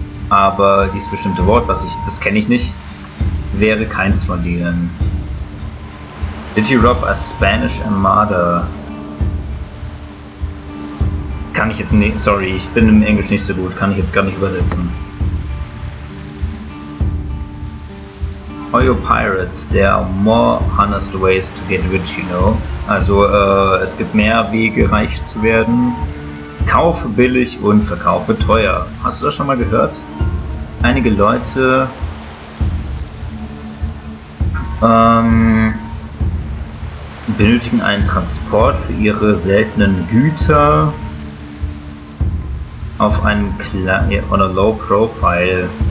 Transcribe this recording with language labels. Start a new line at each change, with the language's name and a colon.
German: Aber dieses bestimmte Wort, was ich, das kenne ich nicht, wäre keins von denen.
English: Did you rob a Spanish Armada?
German: Kann ich jetzt nicht, sorry, ich bin im Englisch nicht so gut, kann ich jetzt gar nicht übersetzen.
English: Oyo Pirates, there are more honest ways to get rich, you know.
German: Also, es gibt mehr Wege, reich zu werden. Kaufe billig und verkaufe teuer. Hast du das schon mal gehört? Einige Leute... benötigen einen Transport für ihre seltenen Güter auf einem
English: on a low profile.